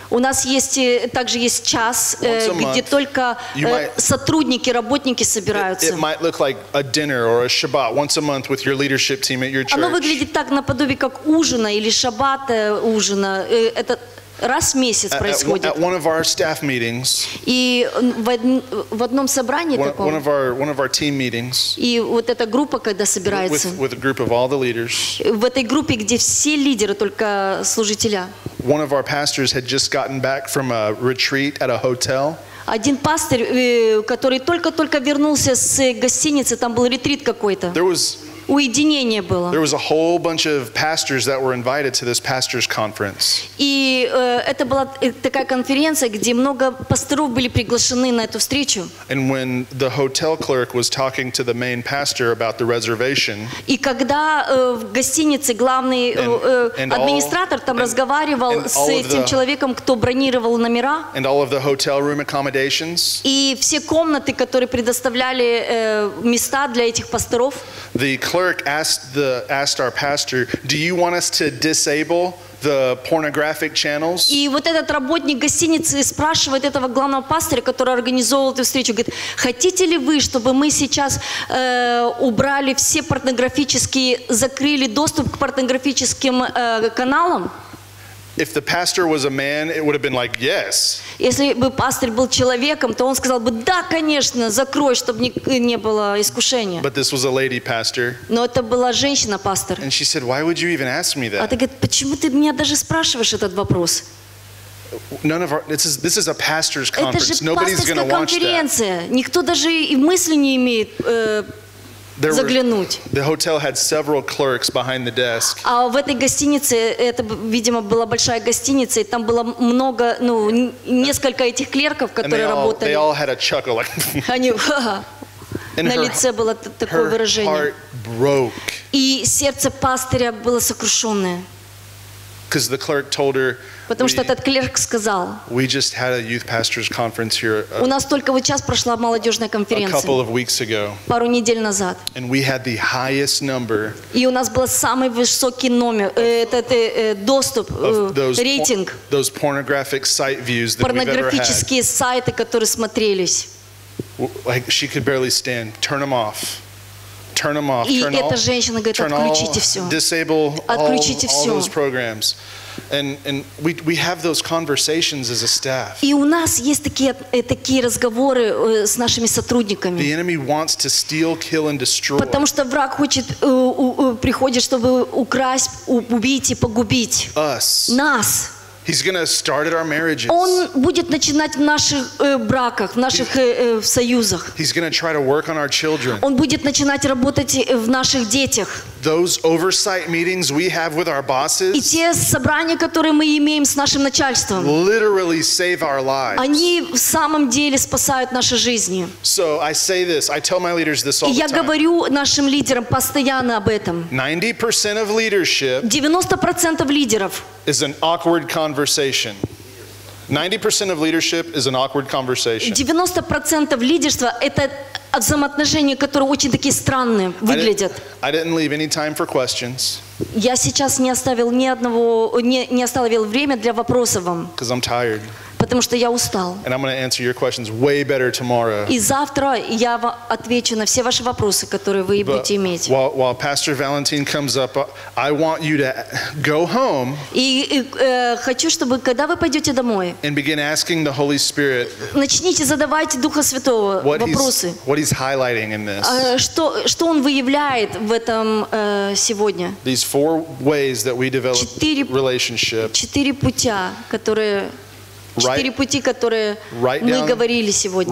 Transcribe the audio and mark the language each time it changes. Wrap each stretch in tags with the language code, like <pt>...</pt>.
<ru>У нас есть также есть час, где только сотрудники, работники собираются.</ru> <en>It might look like a dinner or a Shabbat once a month with your leadership team at your church.</en> <ru>Оно выглядит так наподобие как ужина или Шабата ужина. Это раз в месяц происходит.</ru> <en>At one of our staff meetings.</en> <ru>И в одном собрании таком.</ru> <en>One of our team meetings.</en> <ru>И вот эта группа, когда собирается.</ru> <en>With a group of all the leaders.</en> <ru>В этой группе, где все лидеры, только служителя.</ru> <en>One of our pastors had just gotten back from a retreat at a hotel.</en> <ru>Один пастор, который только-только вернулся с гостиницы, там был ретрит какой-то. Уединение было.</ru> <en>There was a whole bunch of pastors that were invited to this pastors conference.</en> <ru>И это была такая конференция, где много пасторов были приглашены на эту встречу.</ru> <en>And when the hotel clerk was talking to the main pastor about the reservation.</en> <ru>И когда в гостинице главный администратор там разговаривал с этим человеком, кто бронировал номера.</ru> <en>And all of the hotel room accommodations.</en> <ru>И все комнаты, которые предоставляли места для этих пасторов.</ru> <en>Clerk asked our pastor, "Do you want us to disable the pornographic channels?"</en> <ru>И вот этот работник гостиницы спрашивает этого главного пастора, который организовал эту встречу, говорит: "Хотите ли вы, чтобы мы сейчас убрали все порнографические, закрыли доступ к порнографическим каналам?"</ru> <en>If the pastor was a man, it would have been like, "Yes."</en> <ru>Если бы пастор был человеком, то он сказал бы: "Да, конечно, закрой, чтобы не было искушения."</ru> <en>But this was a lady pastor.</en> <ru>Но это была женщина-пастор.</ru> <en>And she said, "Why would you even ask me that?"</en> <ru>А ты говоришь: "Почему ты меня даже спрашиваешь этот вопрос?"</ru> <en>None of our this is a pastor's conference. Nobody's going to watch that.</en> <ru>Это же пасторская конференция. Никто даже и мысли не имеет заглянуть.</ru> <en>The hotel had several clerks behind the desk.</en> <ru>А в этой гостинице, это, видимо, была большая гостиница, и там было много, ну, несколько этих клерков, которые работали.</ru> <en>They all had a chuckle.</en> <ru>Они на лице было такое выражение.</ru> <en>Her heart broke.</en> <ru>И сердце пастыря было сокрушенное.</ru> <en>Because the clerk told her.</en> <ru>Потому что этот клерк сказал.</ru> <en>We just had a youth pastors conference here.</en> <ru>У нас только вот сейчас прошла молодежная конференция.</ru> <en>A couple of weeks ago.</en> <ru>Пару недель назад.</ru> <en>And we had the highest number.</en> <ru>И у нас был самый высокий номер, этот доступ, рейтинг.</ru> <en>Those pornographic site views that we've ever had.</en> <ru>Порнографические сайты, которые смотрелись.</ru> <en>Like she could barely stand. Turn them off. Turn them off.</en> <ru>И эта женщина говорит, отключите все.</ru> <en>Disable all those programs. And we have those conversations as a staff.</en> <ru>И у нас есть такие разговоры с нашими сотрудниками.</ru> <en>The enemy wants to steal, kill, and destroy.</en> <ru>Потому что враг хочет приходит, чтобы украсть, убить и погубить.</ru> <en>Us.</en> <ru>Нас.</ru> <en>He's gonna start at our marriages.</en> <ru>Он будет начинать в наших браках, в наших союзах.</ru> <en>He's gonna try to work on our children.</en> <ru>Он будет начинать работать в наших детях.</ru> <en>Those oversight meetings we have with our bosses.</en> <ru>И те собрания, которые мы имеем с нашим начальством.</ru> <en>Literally save our lives.</en> <ru>Они в самом деле спасают наши жизни.</ru> <en>So I say this, I tell my leaders this all the time.</en> <ru>Я говорю нашим лидерам постоянно об этом.</ru> <en>90% of leadership.</en> <ru>90% лидеров.</ru> <en>Is an awkward conversation. 90% of leadership is an awkward conversation.</en> <ru>90% лидерства это взаимоотношения, которые очень такие странные выглядят.</ru> <en>I didn't leave any time for questions.</en> <ru>Я сейчас не оставил ни одного, не оставил время для вопросов вам.</ru> <en>Because I'm tired.</en> <ru>Потому что я устал.</ru> <en>And I'm going to answer your questions way better tomorrow.</en> <ru>И завтра я отвечу на все ваши вопросы, которые вы будете иметь.</ru> <en>While Pastor Valentine comes up, I want you to go home.</en> <ru>И хочу, чтобы когда вы пойдете домой.</ru> <en>And begin asking the Holy Spirit.</en> <ru>Начните задавать Духа Святого вопросы.</ru> <en>What he's highlighting in this.</en> <ru>Что он выявляет в этом сегодня?</ru> <en>These four ways that we develop relationship.</en> <ru>Четыре пути, которые Четыре пути, которые мы говорили сегодня.</ru>